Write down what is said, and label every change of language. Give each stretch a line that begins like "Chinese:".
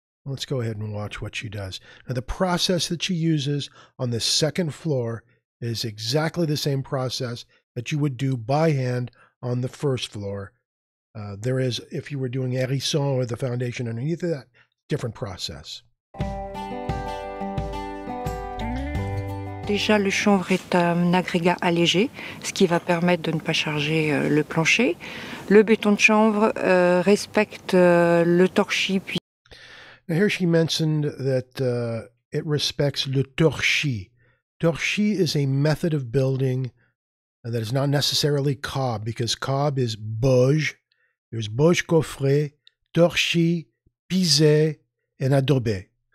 English: Let's go ahead and watch what she does. Now, the process that she uses on the second floor is exactly the same process that you would do by hand on the first floor. There is, if you were doing hérisson or the foundation underneath of that, different process.
French: Déjà, le chanvre est un agrégat allégé, ce qui va permettre de ne pas charger le plancher. Le béton de chanvre respecte le torchis. Puis...
English: Now here she mentioned that it respects le torchis. Torchis is a method of building that is not necessarily cob, because cob is bauge. There's bauge coffrée, torchis, pisé, and adobe.